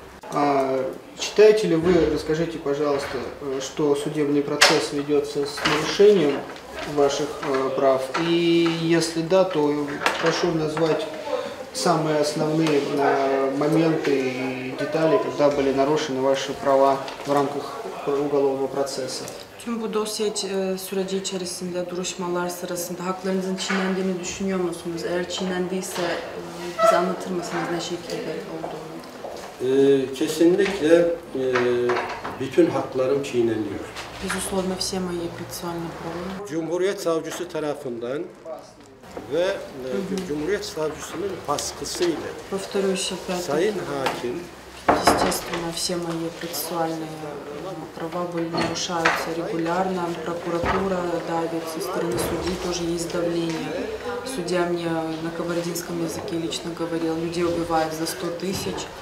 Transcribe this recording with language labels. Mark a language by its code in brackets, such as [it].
[ru] А считаете ли вы, расскажите, пожалуйста, что судебный процесс ведется с нарушением ваших прав? И если да, то прошу назвать самые основные моменты и детали, когда были нарушены ваши права в рамках уголовного процесса. [tr] Tüm bu dosya süreci içerisinde, duruşmalar sırasında haklarınızın çiğnendiğini düşünüyor musunuz? Eğer çiğnendiyse bize anlatır mısınız ne şekilde olduğunu? Kesinlikle bütün haklarım çiğneniyor. [ru] Безусловно, все мои процессуальные права. [tr] Cumhuriyet savcısı tarafından ve Cumhuriyet savcısının baskısıyla. [ru] Повторюсь, [tr] Sayın hakim. [ru] Естественно, все мои процессуальные права были нарушаются регулярно. Прокуратура давит, со стороны судей тоже есть давление. Судья мне на кабардинском языке лично говорил, людей убивают за 100 тысяч.